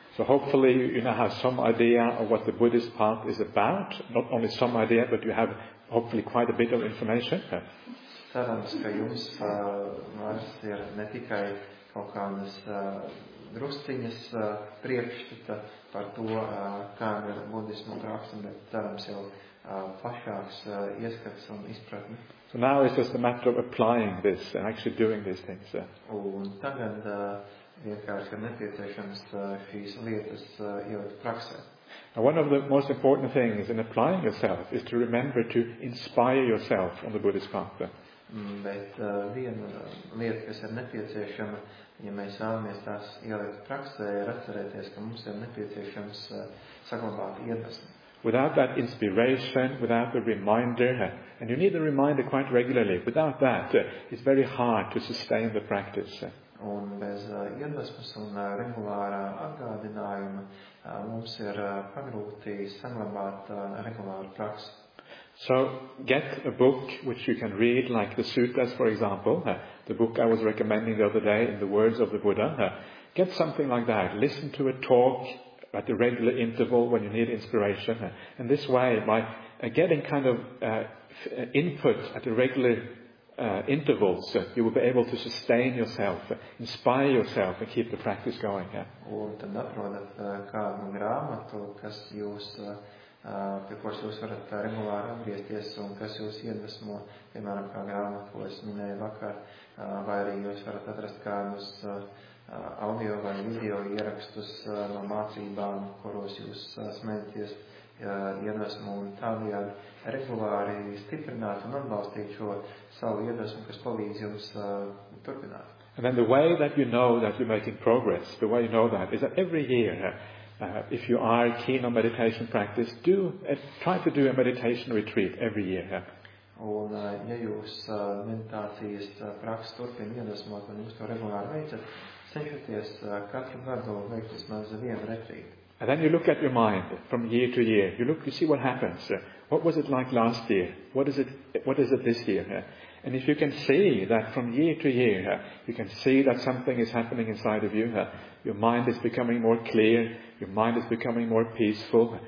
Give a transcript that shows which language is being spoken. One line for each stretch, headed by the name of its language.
English: So hopefully you now have some idea of what the Buddhist path is about, not only some idea, but you have hopefully quite a bit of information.
Latvian: Cerams, ka jums vairs ir ne tikai kaut kādas drusciņas priekšstata par to, kā ir budismu praksa, bet cerams jau plašāks ieskats un izpratni.
English: So now it's just a matter of applying this and actually doing these things.
Latvian: Un tagad vienkārši ir nepieciešams šīs lietas ievēt praksē.
English: Now one of the most important things in applying yourself is to remember to inspire yourself on the Buddhist path.
Latvian: Bet viena lieta, kas ir nepieciešama, ja mēs vēlamies tās ielikt praksē, ir atcerēties, ka mums ir nepieciešams saglabāt iedvesmi.
English: Without that inspiration, without the reminder, and you need the reminder quite regularly, without that, it's very hard to sustain the practice.
Latvian: un bez iedvesmas un regulārā atgādinājuma mums ir pagrūti saglabāt regulāru praksi.
English: So get a book which you can read, like the suttas, for example, the book I was recommending the other day in the words of the Buddha. Get something like that. Listen to a talk at a regular interval when you need inspiration. And this way, by getting kind of input at a regular intervals, you will be able to sustain yourself, inspire yourself and keep the practice going.
Latvian: Un tad atrodat kādu grāmatu, kas jūs pie kuras jūs varat regulāri atgriezties un kas jūs iedvesmo, piemēram, kā grāmatu, ko es minēju vakar, vai arī jūs varat atrast kādus audio vai video ierakstus no mācībām, kuros jūs smēties iedvesmu un tādējādi regulāri stiprināt un atbalstīt šo savu iedvesmu, kas palīdz jums turpināt.
English: And then the way that you know that you're making progress, the way you know that is that every year, if you are keen on meditation practice, do try to do a meditation retreat every year.
Latvian: Un ja jūs meditācijas praksi turpin iedvesmot un jūs to regulāri veicat, cenšaties katru gadu veikt vismaz vienu retrītu.
English: And then you look at your mind from year to year. You see what happens. What was it like last year? What is it this year? And if you can see that from year to year, you can see that something is happening inside of you. Your mind is becoming more clear. Your mind is becoming more peaceful.